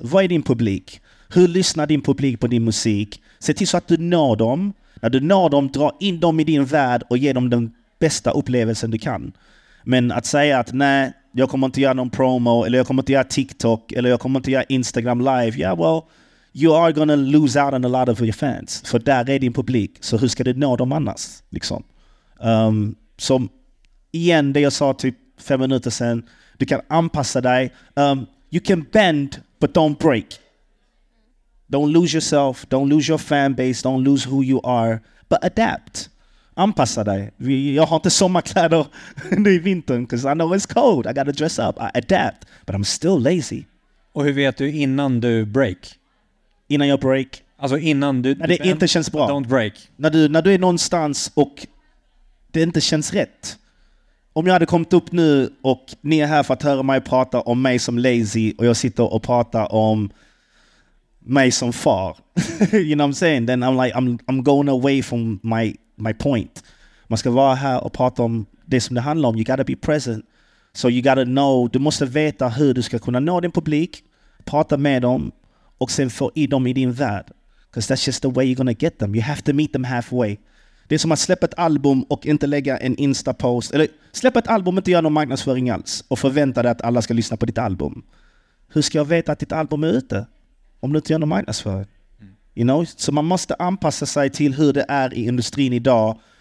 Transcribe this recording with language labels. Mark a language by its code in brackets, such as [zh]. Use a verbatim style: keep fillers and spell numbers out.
[sv] Vad är din publik? Hur lyssnar din publik på din musik? Se till så att du når dem. När du når dem, dra in dem i din värld och ge dem den bästa upplevelsen du kan. Men att säga att nej, jag kommer inte göra någon promo, eller jag kommer inte göra TikTok, eller jag kommer inte göra Instagram live. [en] Yeah, well, you are gonna lose out on a lot of your fans. [sv] För där är din publik. Så hur ska du nå dem annars? Liksom. Um, som igen, det jag sa typ fem minuter sedan. Du kan anpassa dig. [en] Um, you can bend, but don't break. Don't lose yourself, don't lose your fan base, don't lose who you are, but adapt. [sv] Anpassa dig. Jag har inte sommarkläder nu i vintern, [en] because I know it's cold. I gotta dress up. I adapt, but I'm still lazy. [sv] Och hur vet du innan du break? Innan jag break? Alltså innan du... När det du, inte känns bra. [en] Don't break. [sv] När du, när du är någonstans och det inte känns rätt. Om jag hade kommit upp nu och ni är här för att höra mig prata om mig som lazy och jag sitter och pratar om mig som far. [en] You know what I'm saying? Then I'm like, I'm, I'm going away from my, my point. [sv] Man ska vara här och prata om det som det handlar om. [en] You gotta be present. So you gotta know, [sv] du måste veta hur du ska kunna nå din publik, prata med dem och sen få i dem i din värld. [en] Because that's just the way you're gonna get them. You have to meet them halfway. [sv] Det är som att släppa ett album och inte lägga en Insta-post. Eller släppa ett album och inte göra någon marknadsföring alls. Och förvänta dig att alla ska lyssna på ditt album. Hur ska jag veta att ditt album är ute? Om du inte gör någon marknadsföring. You know? Så man måste anpassa sig till hur det är i industrin idag.